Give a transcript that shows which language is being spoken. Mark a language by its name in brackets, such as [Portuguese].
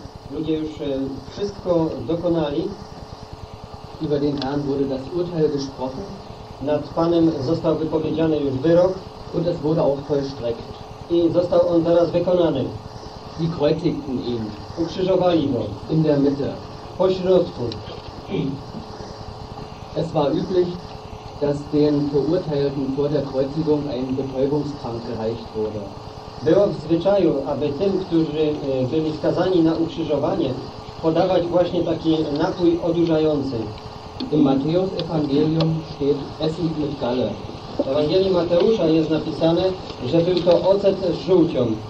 [Polish] Ludzie już wszystko dokonali. [German] Über den Herrn wurde das Urteil gesprochen. [Polish] Nad Panem został wypowiedziany już wyrok. [German] Und es wurde auch vollstreckt. [Polish] I został on teraz wykonany. [German] Sie kreuzigten ihn. [Polish] Ukrzyżowali go. [German] In der Mitte. [Polish] Pośrodku. [German] Es war üblich, dass den Verurteilten vor der Kreuzigung ein Betäubungstrank gereicht wurde. [Polish] Było w zwyczaju, aby tym, którzy byli skazani na ukrzyżowanie, podawać właśnie taki napój odurzający. [German] In Matthäus Evangelium steht Essig mit Galle. [Polish] W Ewangelii Mateusza jest napisane, że był to ocet z żółcią.